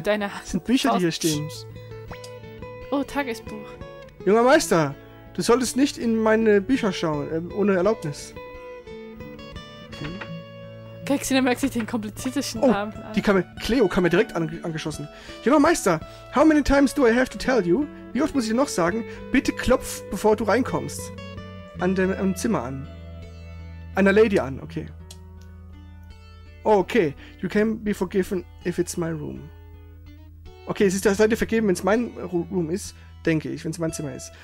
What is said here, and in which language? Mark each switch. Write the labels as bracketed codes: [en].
[de] Das sind Bücher, die hier stehen. Oh, Tagesbuch. Junger Meister, du solltest nicht in meine Bücher schauen, ohne Erlaubnis. Okay. Gexina merkt sich den kompliziertesten Namen an. Die kam mir, Cleo kam mir direkt angeschossen. Junger Meister, [en] how many times do I have to tell you? [de] Wie oft muss ich dir noch sagen, bitte klopf, bevor du reinkommst. An dem Zimmer an. An der Lady an, okay. [en] Okay, you can be forgiven if it's my room. [de] Okay, es ist der Seite vergeben, wenn es mein Room ist, denke ich, wenn es mein Zimmer ist.